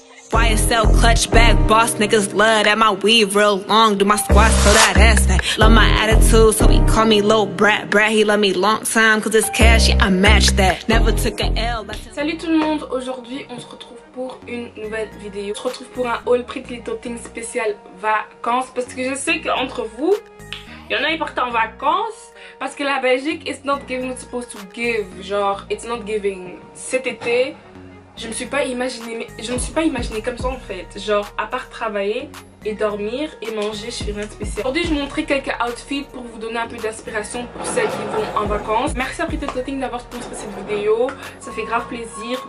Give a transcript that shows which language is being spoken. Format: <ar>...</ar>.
<en>YSL clutch bag, boss niggas love that my weave real long. Do my squats so that ass fat. Love my attitude, so he call me Lil Brat. Brat, he love me long time, cause it's cash, yeah, I match that. Never took a L.</en> <fr>Salut tout le monde, aujourd'hui on se retrouve pour une nouvelle vidéo. On se retrouve pour un haul Pretty Little Thing spécial vacances. Parce que je sais qu'entre vous, il y en a qui partent en vacances. Parce que la Belgique,</fr> <en>it's not giving, it's supposed to give. Genre, it's not giving.</en> <fr>Cet été, je me suis pas imaginée comme ça en fait. Genre, à part travailler et dormir et manger, je fais rien de spécial. Aujourd'hui, je vais vous montrer quelques outfits pour vous donner un peu d'inspiration pour celles qui vont en vacances. Merci à Pretty Little Thing d'avoir sponsoré cette vidéo. Ça fait grave plaisir.</fr>